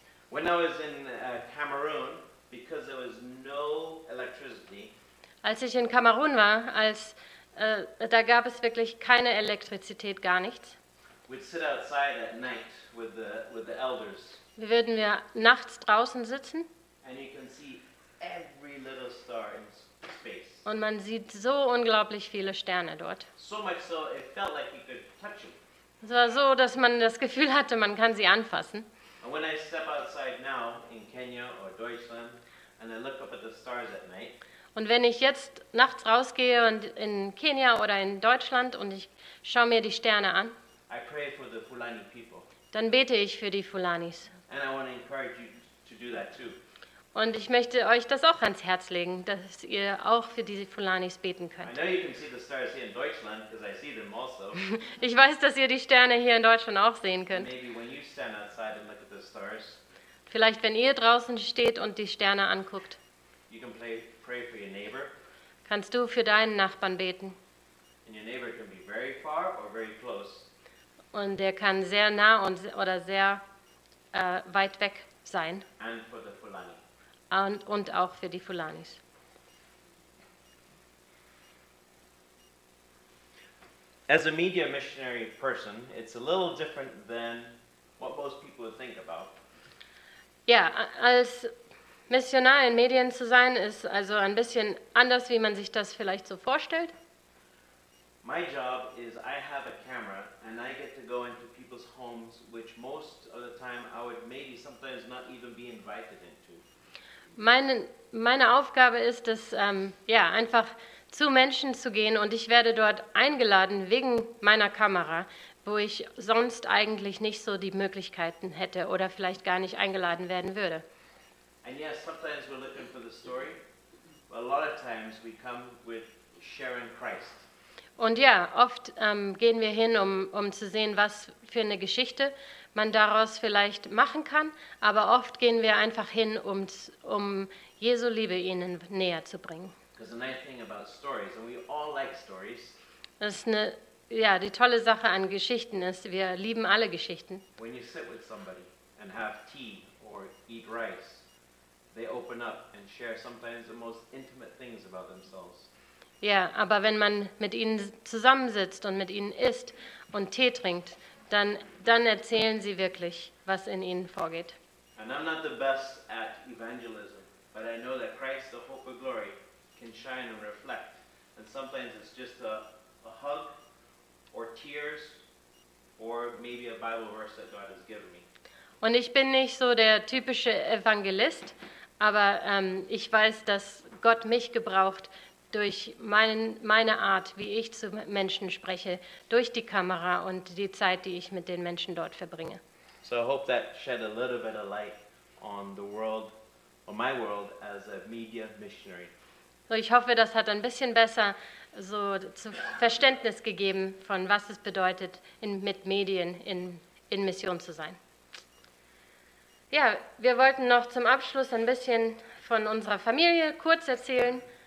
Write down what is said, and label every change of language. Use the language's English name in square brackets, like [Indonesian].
[English] When I was in Cameroon, because there was no electricity. [German] Als ich in Kamerun war, da gab es wirklich keine Elektrizität, gar nichts. [English] We'd sit outside at night with the elders. [German] Wir würden wir nachts draußen sitzen. [English] And you can see every little star in space. [German] Und man sieht so unglaublich viele Sterne dort. [English] So much so, it felt like you could touch them. [German] Es war so, dass man das Gefühl hatte, man kann sie anfassen. [English] And when I step outside now in Kenya or Deutschland and I look up at the stars at night. [German] Und wenn ich jetzt nachts rausgehe und in Kenia oder in Deutschland und ich schaue mir die Sterne an. [English] I pray for the Fulani people. [German] Dann bete ich für die Fulanis. [English] And I want to encourage you to do that too. [German] Und ich möchte euch das auch ans Herz legen, dass ihr auch für diese Fulanis beten könnt. [English] I know you can see the stars here in Deutschland because I see them also. [German] Ich weiß, dass ihr die Sterne hier in Deutschland auch sehen könnt. [English] Maybe when you stand outside and look at the stars. [German] Vielleicht wenn ihr draußen steht und die Sterne anguckt. [English] You can pray for your neighbor. [German] Kannst du für deinen Nachbarn beten? [English] And your neighbor can be very far or very close. [German] Und der kann sehr nah und oder sehr weit weg sein. [English] And for the Fulani. [German] Und auch für die Fulanis. [English] As a media missionary person, it's a little different than what most people would think about. [German] Ja, als Missionar in Medien zu sein, ist also ein bisschen anders, wie man sich das vielleicht so vorstellt. [English] My job is I have a camera and I get to go into people's homes, which most of the time I would maybe sometimes not even be invited into. [German] Meine Aufgabe ist es, einfach zu Menschen zu gehen und ich werde dort eingeladen wegen meiner Kamera, wo ich sonst eigentlich nicht so die Möglichkeiten hätte oder vielleicht gar nicht eingeladen werden würde. [English] And yes, sometimes we're looking for the story, but a lot of times we come with sharing Christ. [German] Und ja, oft gehen wir hin, um zu sehen, was für eine Geschichte man daraus vielleicht machen kann, aber oft gehen wir einfach hin, um Jesu Liebe ihnen näher zu bringen. Die tolle Sache an Geschichten ist, wir lieben alle Geschichten. [English] When you sit with somebody and have tea or eat rice, they open up and share sometimes the most intimate things about themselves. [German] Ja, aber wenn man mit ihnen zusammensitzt und mit ihnen isst und Tee trinkt, dann erzählen sie wirklich, was in ihnen vorgeht. [English] And I'm not the best at evangelism, but I know that Christ, the hope of glory, can shine and reflect. And sometimes it's just a hug or tears or maybe a Bible verse that God has given me. [German] Und ich bin nicht so der typische Evangelist, aber ich weiß, dass Gott mich gebraucht durch meine Art, wie ich zu Menschen spreche, durch die Kamera und die Zeit, die ich mit den Menschen dort verbringe. [English] So I hope that shed a little bit of light on the world, on my world as a media missionary. [German] So ich hoffe, das hat ein bisschen besser so zu Verständnis gegeben von was es bedeutet, mit Medien in Mission zu sein. Ja, wir wollten noch zum Abschluss ein bisschen von unserer Familie kurz erzählen.